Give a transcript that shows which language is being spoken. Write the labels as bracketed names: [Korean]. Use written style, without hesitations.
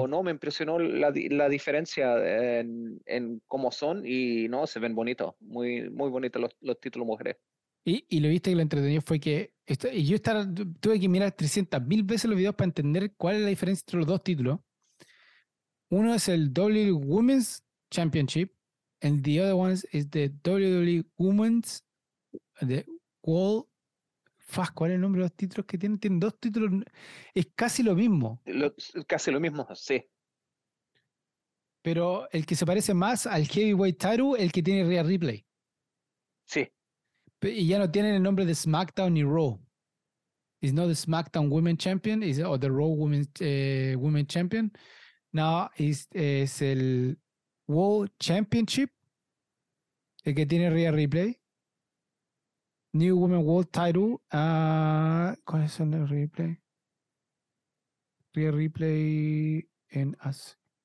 [Spanish] no, me impresionó la diferencia en cómo son y no, se ven bonitos, muy, muy bonitos los títulos mujeres. Y lo viste que lo entretenido fue que esto, y yo estaba, tuve que mirar 300.000 veces los videos para entender cuál es la diferencia entre los dos títulos. Uno es el [English] WWE Women's Championship, and the other one is the WWE Women's the World. [Spanish] Fuck, ¿cuál es el nombre de los títulos que tienen? Tienen dos títulos, es casi lo mismo. Casi lo mismo, sí. Pero el que se parece más al Heavyweight Title, el que tiene Rhea Ripley. Y ya no tienen el nombre de SmackDown ni Raw. [English] It's not the SmackDown Women Champion, it's, or the Raw Women Champion. [Spanish] No, es el World Championship, el que tiene Rhea Ripley. New Women World Title. ¿Cuál es el nombre de Ripley? Rhea Ripley en As.